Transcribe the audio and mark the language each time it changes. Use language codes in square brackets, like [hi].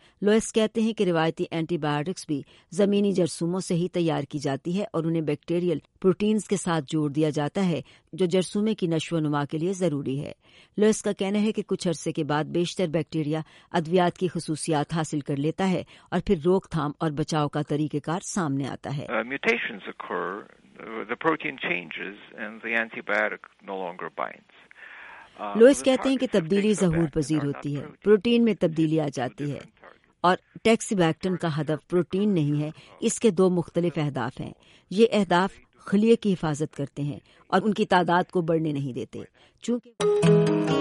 [ur] Louis کہتے ہیں کہ روایتی اینٹی بایوٹکس بھی زمینی جرثوموں سے ہی تیار کی جاتی ہے اور انہیں بیکٹیریل پروٹینز کے ساتھ جوڑ دیا جاتا ہے جو جرثومے کی نشو و نما کے لیے ضروری ہے۔ لوئس کا کہنا ہے کہ کچھ عرصے کے بعد بیشتر بیکٹیریا ادویات کی خصوصیات حاصل کر لیتا ہے اور پھر روک تھام اور بچاؤ کا طریقہ کار سامنے آتا ہے۔ [en] The protein changes and the antibiotic no longer binds. [ur] Louis کہتے ہیں کہ تبدیلی ظہور پذیر ہوتی ہے، پروٹین میں تبدیلی آ جاتی ہے، اور ٹیکسوبیکٹین کا ہدف پروٹین نہیں ہے، اس کے دو مختلف اہداف ہیں۔ یہ اہداف خلیے کی حفاظت کرتے ہیں اور ان کی تعداد کو بڑھنے نہیں دیتے۔ چونکہ